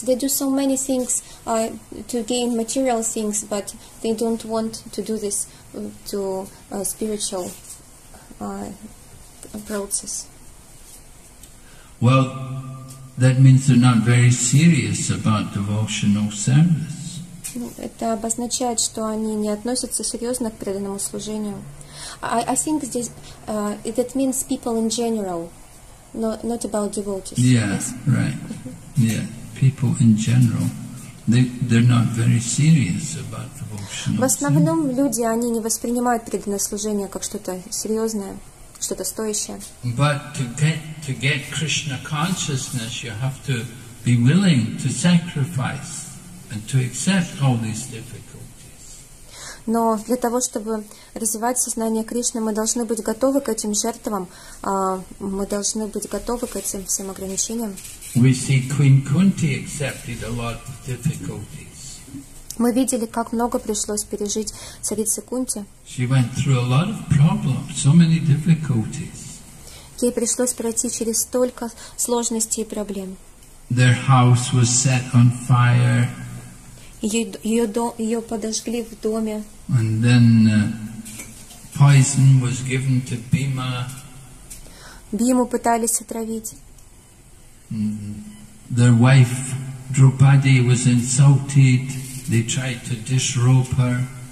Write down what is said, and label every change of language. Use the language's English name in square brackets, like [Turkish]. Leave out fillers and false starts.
[English] They do so many things to gain material things, but they don't want to do this to spiritual process. Well, that means they're not very serious about devotional service. [Russian] Это обозначает, что они не относятся серьезно к преданному служению. [English] I think this that means people in general, not about devotees. Yeah, yes, right. Yeah, people in general, they're not very serious about devotion. [Russian] В основном люди они не воспринимают преданное служение как что-то серьезное, что-то стоящее. [English] But to get Krishna consciousness, you have to be willing to sacrifice. And to accept all these difficulties. [Russian] Но для того, чтобы развивать сознание Кришны, мы должны быть готовы к этим жертвам, мы должны быть готовы к этим всем ограничениям. [English] We see Queen Kunti accepted a lot of difficulties. [Russian] Мы видели, как много пришлось пережить царице Кунти. [English] She went through a lot of problems, so many difficulties. [Russian] Ей пришлось пройти через столько сложностей и проблем. [English] Their house was set on fire. [Russian] Ее подожгли в доме. [English] And then poison was given to Bhima. [Russian] Бхиму пытались отравить. [English] Their wife Draupadi was insulted. They tried to disrobe her.